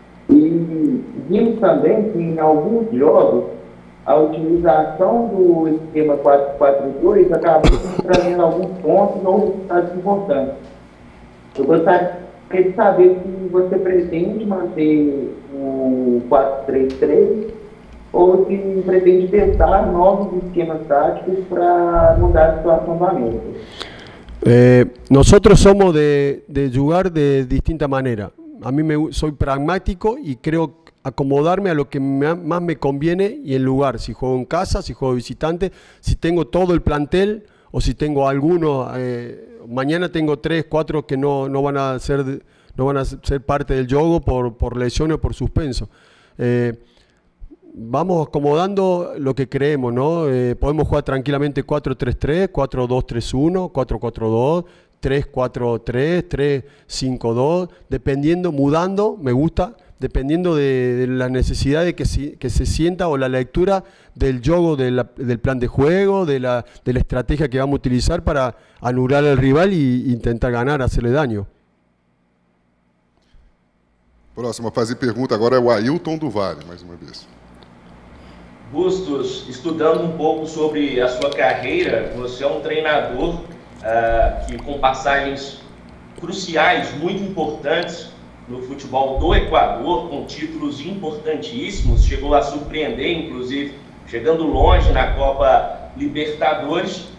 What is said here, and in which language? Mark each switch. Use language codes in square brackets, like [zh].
[pt] E vimos também que em alguns jogos a utilização do esquema 4-4-2 acabou trazendo alguns pontos ou resultados importantes. Eu gostaria de saber se você pretende manter o 4-3-3 ou se pretende testar novos esquemas táticos para mudar a situação do América. [es] Nosotros somos de jugar de distinta manera. A mí soy pragmático y creo que acomodarme a lo que más me conviene y el lugar, si juego en casa, si juego visitante, si tengo todo el plantel o si tengo alguno, mañana tengo 3, 4 que no van a ser parte del juego por lesiones o por suspenso. Vamos acomodando lo que creemos, ¿no? Podemos jugar tranquilamente 4-3-3, 4-2-3-1, 4-4-2, 3-4-3, 3-5-2, dependiendo, mudando, me gusta. Dependiendo de la necesidad de que se sienta o la lectura del juego, del plan de juego, de la estrategia que vamos a utilizar para anular al rival e intentar ganar, hacerle daño. [pt] Próxima, fazer pergunta agora é o Ailton do Vale, mais uma vez. Bustos, estudando um pouco sobre a sua carreira, você é treinador que com passagens cruciais, muito importantes, no futebol do Equador, com títulos importantíssimos, chegou a surpreender, inclusive, chegando longe na Copa Libertadores,